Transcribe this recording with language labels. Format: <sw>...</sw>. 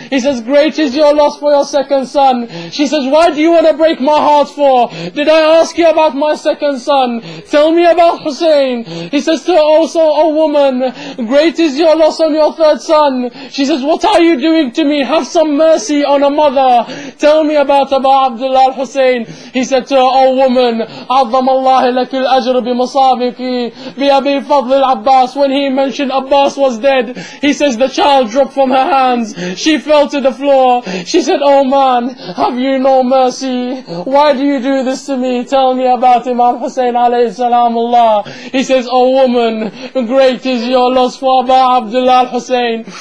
<en>He says, great is your loss for your second son. She says, why do you want to break my heart for? Did I ask you about my second son? Tell me about Hussein. He says to her, also, oh woman, great is your loss on your third son. She says, what are you doing to me? Have some mercy on a mother. Tell me about Aba Abdullah al-Hussein. He said to her, oh woman,</en> <ar>عظم الله لك الأجر بمصابك بأبي فضل العباس.</ar> <en>When he mentioned Abbas was dead, he says the child dropped from her hands. She fell to the floor. She said, oh man, have you no mercy? Why do you do this to me? Tell me about Imam Hussein alayhi salam Allah. He says, oh woman, great is your loss for Aba Abdullah al-Hussein.</en>